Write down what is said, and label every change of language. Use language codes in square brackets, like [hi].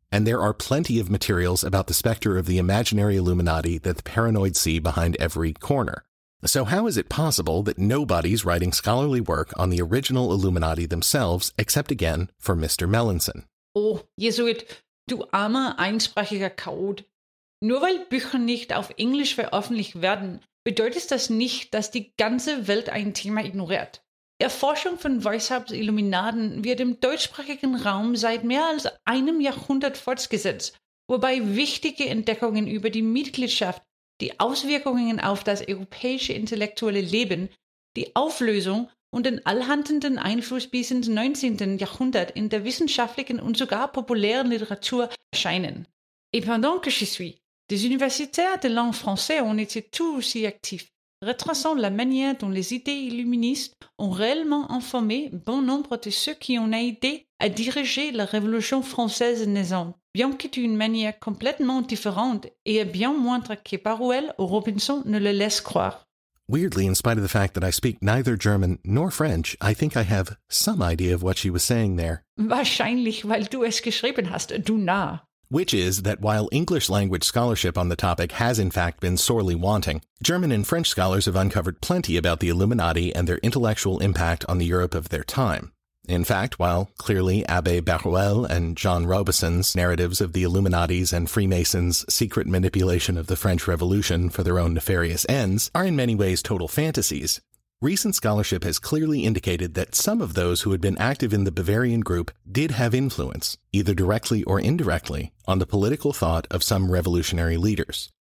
[en] And there are plenty of materials about the specter of the imaginary Illuminati that the paranoid see behind every corner. So how is it possible that nobody's writing scholarly work on the original Illuminati themselves, except again for Mr. Melanson? [de] Oh, Jesuit, du armer, einsprachiger Chaot. Nur weil Bücher nicht auf Englisch veröffentlicht werden, bedeutet das nicht, dass die ganze Welt ein Thema ignoriert. Erforschung von Weishaupts Illuminaten wird im deutschsprachigen Raum seit mehr als einem Jahrhundert fortgesetzt, wobei wichtige Entdeckungen über die Mitgliedschaft, die Auswirkungen auf das europäische intellektuelle Leben, die Auflösung und den allhandenden Einfluss bis ins 19. Jahrhundert in der wissenschaftlichen und sogar populären Literatur erscheinen. [fr] Et pendant que je suis, des universitaires de langue française ont été tout aussi actifs, retraçant la manière dont les idées illuministes ont réellement informé bon nombre de ceux qui ont aidé à diriger la Révolution française naissante, bien que d'une manière complètement différente et bien moindre que Paruel ou Robinson ne le laissent croire. [en] Weirdly, in spite of the fact that I speak neither German nor French, I think I have some idea of what she was saying there. [de] Wahrscheinlich, weil du es geschrieben hast, du Narr. [en] Which is that while English language scholarship on the topic has in fact been sorely wanting, German and French scholars have uncovered plenty about the Illuminati and their intellectual impact on the Europe of their time. In fact, while clearly Abbé Barruel and John Robison's narratives of the Illuminati's and Freemasons' secret manipulation of the French Revolution for their own nefarious ends are in many ways total fantasies, recent scholarship has clearly indicated that some of those who had been active in the Bavarian group did have influence, either directly or indirectly, on the political thought of some revolutionary leaders.